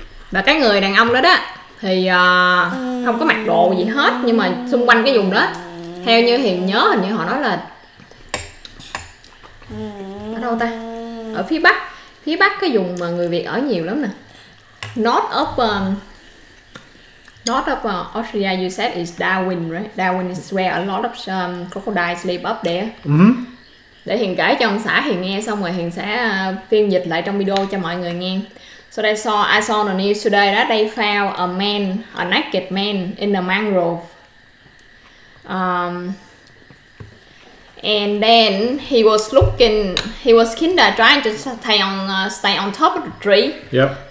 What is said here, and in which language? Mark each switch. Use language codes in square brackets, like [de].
[vi] Và cái người đàn ông đó thì không có mặc đồ gì hết, nhưng mà xung quanh cái vùng đó theo như Hiền nhớ, hình như họ nói là ở đâu ta, ở phía bắc. Phía bắc cái vùng mà người Việt ở nhiều lắm nè. [en] North of Australia, you said is Darwin, right? Darwin is where a lot of crocodiles live up there. [vi] Để Hiền kể cho ông xã Hiền nghe, xong rồi Hiền sẽ phiên dịch lại trong video cho mọi người nghe. [en] So they saw, I saw on the news today that they found a man, a naked man in the mangrove. And then he was looking, he was kind of trying to stay on top of the tree. Yep.